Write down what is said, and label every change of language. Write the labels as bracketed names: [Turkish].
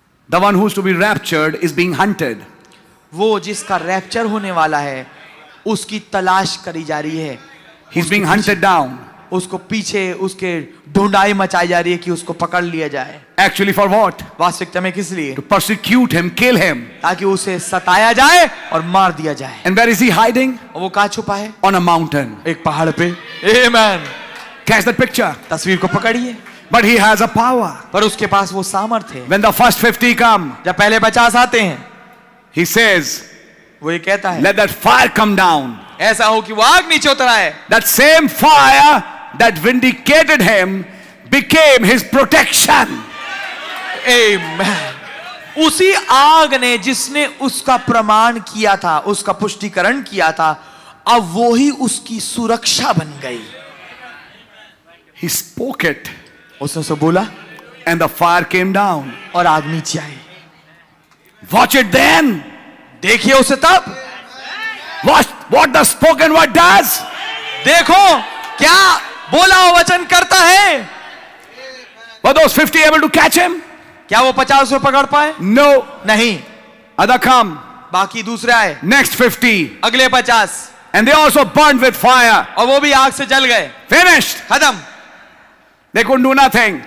[English] The one who's to be raptured is being hunted. [Hindi] वो जिसका rapture होने वाला है उसकी तलाश करी जा रही है. [English] He's being hunted down. [Hindi] उसको पीछे उसके ढूंढाई मचाई जा रही है कि उसको पकड़ लिया जाए. [English] Actually for what? [Hindi] वास्तविकता में किस लिए? [English] To persecute him, kill him. [Hindi] ताकि उसे सताया जाए और मार दिया जाए. [English] And where is he hiding? [Hindi] वो कहाँ छुपा है? [English] On a mountain. [Hindi] एक पहाड़ पे. Amen. [English] Catch that picture. [Hindi] तस्वीर को पकड़िए. [English] But he has a power. [Hindi] पर उसके पास वो सामर्थ्य है. [English] When the first 50 come. [Hindi] जब पहले 50 आते हैं. [English] He says. [Hindi] वो ये कहता है. [English] Let that fire come down. [Hindi] ऐसा हो कि वो आग नीचे उतर आए. [English] That same fire that vindicated him became his protection. Amen. [Hindi] उसी आग ने जिसने उसका प्रमाण किया था, उसका पुष्टिकरण किया था, अब वो ही उसकी सुरक्षा बन गई. [English] He spoke it. [Hindi] उसने सो बोला. [English] And the fire came down. [Hindi] और आग नीचे आई. [English] Watch it then. [Hindi] देखिए उसे तब. [English] Watch what the spoken word does. [Hindi] देखो क्या बोला हुआ वचन करता है. [English] Were those 50 able to catch him? [Hindi] क्या वो 50 उसे पकड़ पाए? [English] No. [Hindi] नहीं. [English] Other come. [Hindi] बाकी दूसरे आए. [English] Next 50. [Hindi] अगले 50. [English] And they also burned with fire. [Hindi] और वो भी आग से जल गए. [English] Finished. [Hindi] खत्म. [English] They couldn't do nothing.